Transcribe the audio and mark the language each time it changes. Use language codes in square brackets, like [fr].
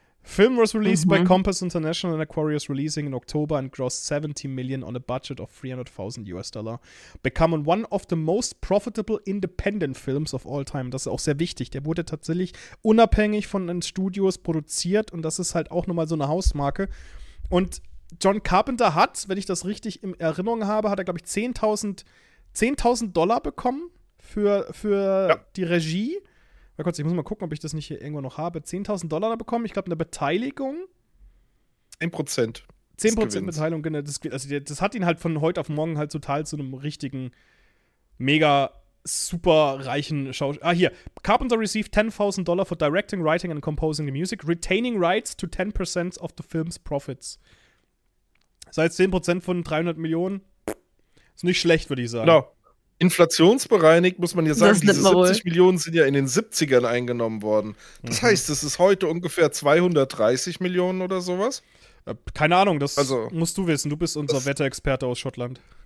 [en] Film was released by Compass International and Aquarius Releasing in October and grossed 70 million on a budget of 300.000 US Dollar. Becoming one of the most profitable independent films of all time. [de] Das ist auch sehr wichtig. Der wurde tatsächlich unabhängig von den Studios produziert und das ist halt auch nochmal so eine Hausmarke. Und John Carpenter hat, wenn ich das richtig in Erinnerung habe, hat er, glaube ich, 10.000 Dollar bekommen für die Regie. Mal kurz, ich muss mal gucken, ob ich das nicht hier irgendwo noch habe. 10.000 Dollar bekommen, ich glaube eine Beteiligung. 1%. 10% Beteiligung, genau. Das hat ihn halt von heute auf morgen halt total zu einem richtigen, mega, super reichen Schauspieler. Ah, hier. [en] Carpenter received $10,000 for directing, writing and composing the music, retaining rights to 10% of the film's profits. [de] Das heißt, 10% von 300 Millionen ist nicht schlecht, würde ich sagen. [en] No. [de] Inflationsbereinigt muss man ja sagen, diese 70 Millionen sind ja in den 70ern eingenommen worden. Das heißt, es ist heute ungefähr 230 Millionen oder sowas. Keine Ahnung, das also, musst du wissen. Du bist unser Wetterexperte aus Schottland.